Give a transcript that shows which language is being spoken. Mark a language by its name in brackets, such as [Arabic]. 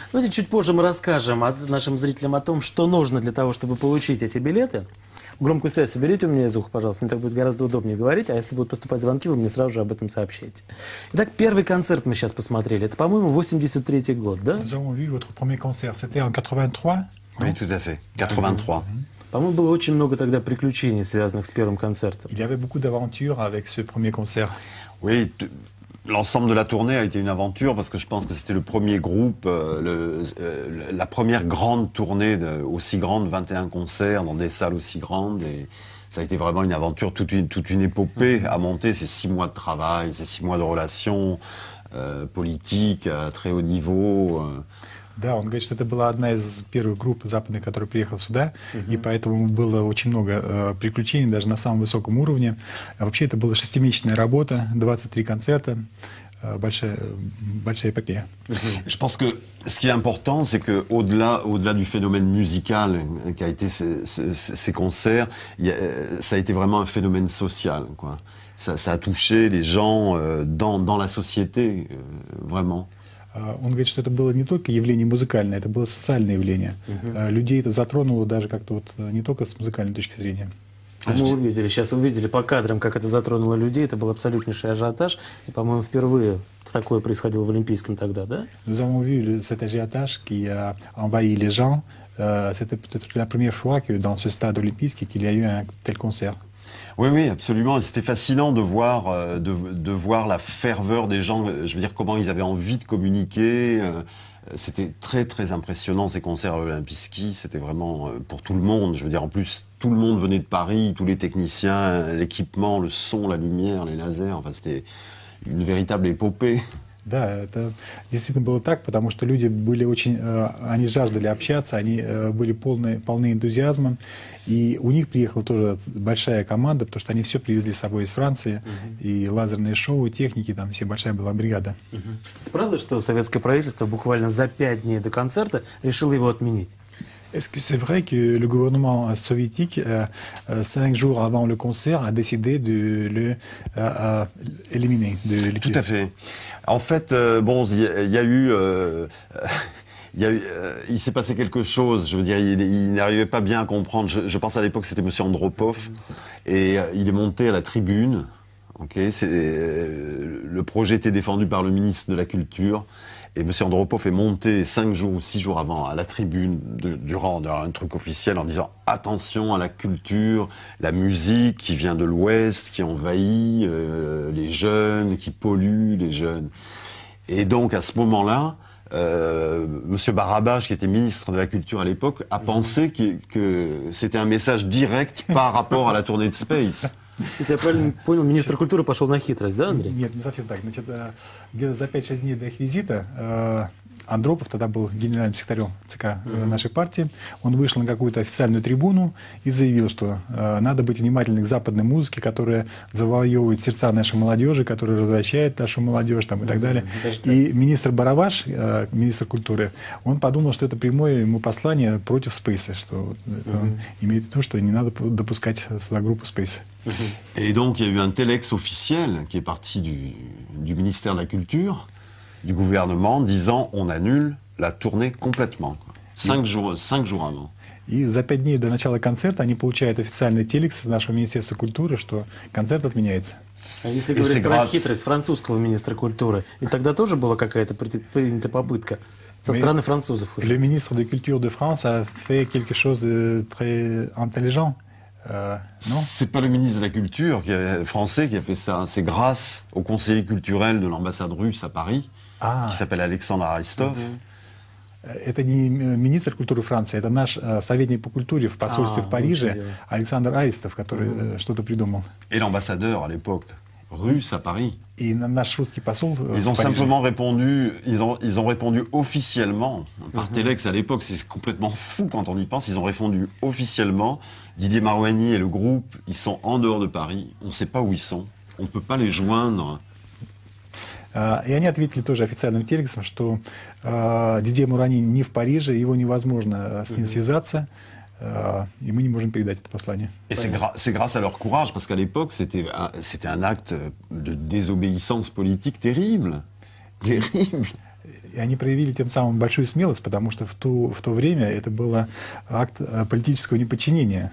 [Russian] Ну, и чуть позже мы расскажем нашим зрителям о том, что нужно для того, чтобы получить эти билеты. Громкую связь уберите у меня из уха, пожалуйста, мне так будет гораздо удобнее говорить, а если будут поступать звонки, вы мне сразу же об этом сообщаете. Итак, первый концерт мы сейчас посмотрели, это, по-моему, 83-й год, да? Мы видели ваш первый концерт, это был 83? Да, [French] tout à fait, 83. [Russian] По-моему, было очень много тогда приключений, связанных с первым концертом. [French] Il y avait beaucoup d'aventures avec ce premier concert. Oui, l'ensemble de la tournée a été une aventure parce que je pense que c'était le premier groupe, la première grande tournée aussi grande, 21 concerts dans des salles aussi grandes et ça a été vraiment une aventure, toute une épopée à monter. C'est 6 mois de travail, c'est 6 mois de relations politiques à très haut niveau. [Russian] Да, он говорит, что это была одна из первых групп западных, которая приехала сюда, и поэтому было очень много приключений, даже на самом высоком уровне. Вообще, это была 6-месячная работа, 23 концерта, большая эпопея. [French] Je pense que ce qui est important, c'est que au-delà du phénomène musical qui a été ces concerts, ça a été vraiment un phénomène social, quoi. Ça a touché les gens dans la société, vraiment. [Russian] Он говорит, что это было не только явление музыкальное, это было социальное явление. Людей это затронуло даже как-то вот не только с музыкальной точки зрения. Мы увидели, сейчас увидели по кадрам, как это затронуло людей. Это был абсолютнейший ажиотаж. И, по-моему, впервые такое происходило в Олимпийском тогда, да? [French] Nous avons vu cet ажиотаж, qui a envahi les gens. C'était peut-être la première fois que dans ce stade olympique qu'il y a eu un tel concert. Oui, oui, absolument. C'était fascinant de voir la ferveur des gens, je veux dire, comment ils avaient envie de communiquer. C'était très, très impressionnant, ces concerts à l'Olympiski. C'était vraiment pour tout le monde. Je veux dire, en plus, tout le monde venait de Paris, tous les techniciens, l'équipement, le son, la lumière, les lasers. Enfin, c'était une véritable épopée. [Russian] Да, это действительно было так, потому что люди были очень, они жаждали общаться, они были полны энтузиазма, и у них приехала тоже большая команда, потому что они все привезли с собой из Франции, и лазерные шоу, техники, там все большая была бригада. Это правда, что советское правительство буквально за 5 дней до концерта решило его отменить? [French] Est-ce que c'est vrai que le gouvernement soviétique, 5 jours avant le concert, a décidé de l'éliminer de l'équipe? Tout à fait. En fait, bon, il s'est passé quelque chose, je veux dire, il n'arrivait pas bien à comprendre. Je pense à l'époque, c'était M. Andropov, et il est monté à la tribune. Okay, le projet était défendu par le ministre de la Culture. Et M. Andropov est monté 5 jours ou 6 jours avant à la tribune durant un truc officiel en disant « Attention à la culture, la musique qui vient de l'Ouest, qui envahit les jeunes, qui pollue les jeunes. » Et donc à ce moment-là, M. Barabash, qui était ministre de la Culture à l'époque, a pensé que c'était un message direct par rapport à la tournée de Space. [Russian] Если я правильно понял, министр культуры пошел на хитрость, да, Андрей? Нет, не совсем так. Значит, где-то за 5-6 дней до их визита Андропов, тогда был генеральным секретарем ЦК нашей партии, он вышел на какую-то официальную трибуну и заявил, что надо быть внимательным к западной музыке, которая завоевывает сердца нашей молодежи, которая развращает нашу молодежь там, и так далее. И министр Барабаш, министр культуры, он подумал, что это прямое ему послание против Space, что он имеет в виду, что не надо допускать сюда группу Space. [French] Et donc, il y a eu un téléx officiel qui est parti du ministère de la Culture, du gouvernement, disant on annule la tournée complètement. Cinq jours avant. [Russian] И за пять дней до начала концерта они получают официальный телекс из нашего Министерства культуры, что концерт отменяется. А если говорить про хитрость французского министра культуры, и тогда тоже была какая-то принята попытка со стороны французов уже? [French] Le ministre de Culture de France a fait quelque chose de très intelligent. Non. C'est pas le ministre de la Culture français qui a fait ça, c'est grâce au conseiller culturel de l'ambassade russe à Paris, qui s'appelle Alexandre Aristov. [Russian] Это не министр культуры Франции, это наш советник по культуре в посольстве в Париже, Александр Аристов, который что-то придумал. [French] Et l'ambassadeur à l'époque russe à Paris. [Russian] И наш русский посол. [French] Ils ont simplement répondu, ils ont répondu officiellement par téléx à l'époque, c'est complètement fou quand on y pense, ils ont répondu officiellement. Didier Marouani et le groupe, ils sont en dehors de Paris, on ne sait pas où ils sont, on ne peut pas les joindre. [Russian] И они ответили тоже официальным телексом, что Didier Marouani не в Париже, его невозможно с ним связаться, и мы не можем передать это послание. [French] Et c'est grâce à leur courage, parce qu'à l'époque, c'était un acte de désobéissance politique terrible, terrible. [Russian] И они проявили тем самым большую смелость, потому что в то время это был акт политического неподчинения.